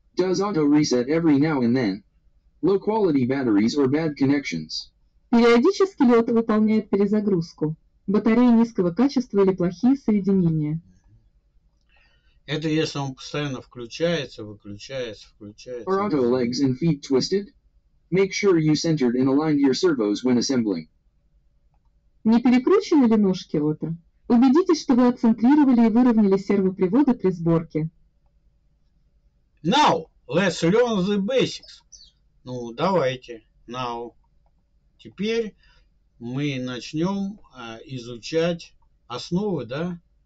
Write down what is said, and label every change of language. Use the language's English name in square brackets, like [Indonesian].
[English] Does auto reset every now and then? Low quality batteries or bad connections? [Russian] Периодически ли auto выполняет перезагрузку? Батареи низкого качества или плохие соединения. Это если он постоянно включается, выключается, включается. [English] Are auto legs and feet twisted? Make sure you centered and aligned your servos when assembling. [Russian] Не перекручены ли ножки auto? Убедитесь, что вы отцентрировали и выровняли сервопривода при сборке. [English] Now, let's learn the basics. [Russian] Ну, давайте. [English] Now. Теперь... [Russian] Мы начнем изучать основы, да?